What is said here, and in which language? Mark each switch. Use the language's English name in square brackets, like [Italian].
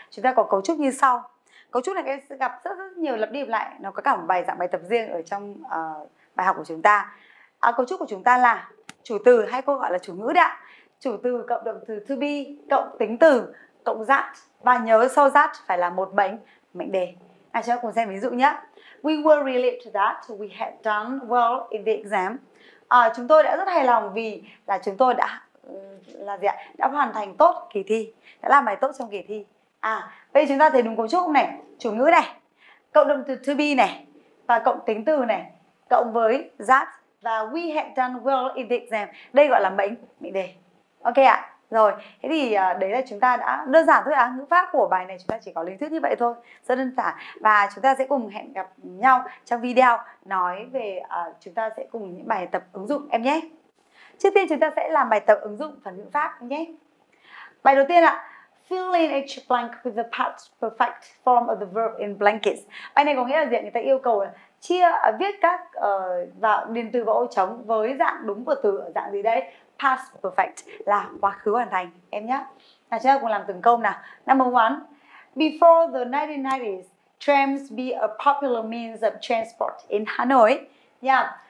[Vietnamese] Chúng ta có cấu trúc như sau. Cấu trúc này em sẽ gặp rất nhiều lặp đi lặp lại. Nó có cả một bài dạng bài tập riêng ở trong bài học của chúng ta. Cấu trúc của chúng ta là chủ từ hay cô gọi là chủ ngữ đấy ạ. Chủ từ cộng động từ to be cộng tính từ cộng that. Và nhớ sau that phải là một mệnh đề. Cho cùng xem ví dụ nhé. [English] We were relieved that we had done well in the exam. [Vietnamese] Chúng tôi đã rất hài lòng vì là chúng tôi đã hoàn thành tốt kỳ thi, đã làm bài tốt trong kỳ thi. Bây giờ chúng ta thấy đúng cấu trúc không này? Chủ ngữ này, cộng động từ to be này, và cộng tính từ này, cộng với that, và [English] we had done well in the exam. [Vietnamese] Đây gọi là mệnh đề. Ok ạ? Rồi, thế thì đấy là chúng ta đã đơn giản thôi ạ. Ngữ pháp của bài này chúng ta chỉ có lý thuyết như vậy thôi, rất đơn giản. Và chúng ta sẽ cùng hẹn gặp nhau trong video nói về chúng ta sẽ cùng những bài tập ứng dụng em nhé. Trước tiên chúng ta sẽ làm bài tập ứng dụng phần ngữ pháp nhé. Bài đầu tiên ạ. [English] Fill in each blank with the past perfect form of the verb in blankets. [Vietnamese] Bài này có nghĩa là gì? Người ta yêu cầu là viết các vào điền từ vào ô trống với dạng đúng của từ ở dạng gì đấy? Past perfect là quá khứ hoàn thành em nhé. Nào chúng ta cùng làm từng câu nào. [English] Number one, before the 1990s, trams be a popular means of transport in Hanoi. Yeah.